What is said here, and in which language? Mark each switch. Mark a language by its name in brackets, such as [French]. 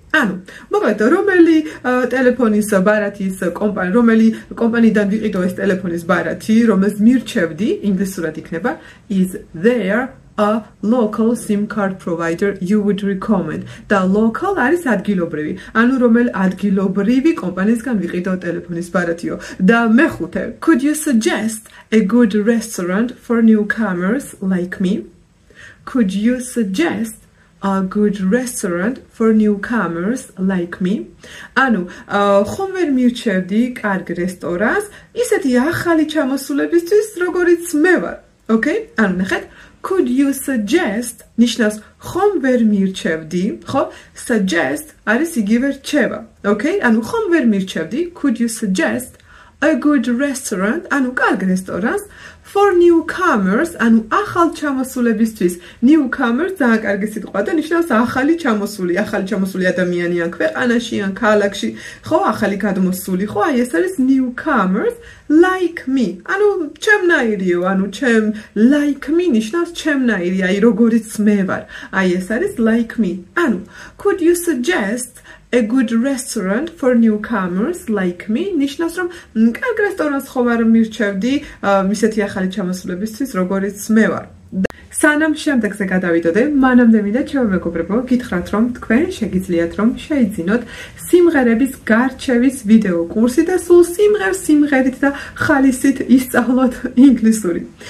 [Georgian] ანუ მოკლედ რომელი ტელეფონის ბარათის კომპანი, რომელი კომპანიიდან ვიყიდო ეს ტელეფონის ბარათი, რომელს მირჩევდი, ინგლისურად იქნება, [English] is there a local sim card provider you would recommend? [Georgian] The local არის ადგილობრივი, ანუ რომელ ადგილობრივი კომპანიისგან ვიყიდო ტელეფონის ბარათიო. და მეხუთე, [English] could you suggest a good restaurant for newcomers like me? Could you suggest a good restaurant for newcomers like me? [Georgian] Ანუ, ხომ ვერ მივჩერდი კარგ რესტორანს ისეთი ახალი ჩამოსულებისთვის, როგორიც მე ვარ. [English] Okay? [Georgian] ანუ ნახეთ, [English] could you suggest [Georgian] ნიშნავს ხომ ვერ მირჩევდი, ხო? Suggest არის იგივე რჩევა. Okay? ანუ ხომ ვერ მირჩევდი, [English] could you suggest a good restaurant, [Georgian] ანუ კარგ რესტორანს, [English] for newcomers, [Georgian] ანუ ახალ ჩამოსულებისთვის. Newcomers ძალიან კარგი სიტყვა და ნიშნავს ახალი ჩამოსული, ახალი ჩამოსული ადამიანი ან ქვეყანაში ან ქალაქში, ხო, ახალი გადმოსული, ხო, აი ეს არის [English] newcomers like me. [Georgian] ანუ ჩემნაირიო, ანუ ჩემ [English] like me [Georgian] ნიშნავს ჩემნაირი, აი როგორიც მე ვარ. აი ეს არის like me. [English] ანუ could you suggest a good restaurant for newcomers like me? [Georgian] ნიშნავს რომ კარგ რესტორანს ხომ არ მირჩევდი ისეთი ახალი ჩამოსულებისთვის, როგორიც მე ვარ. სანამ შემდეგზე გადავიდოდე, მანამდე მინდა ჩემო მეგობრებო, გითხრათ რომ თქვენ შეგიძლიათ რომ შეიძინოთ სიმღერების გარჩევის ვიდეო კურსი და სულ სიმღერ სიმღერით და ხალისით ისწავლოთ ინგლისური.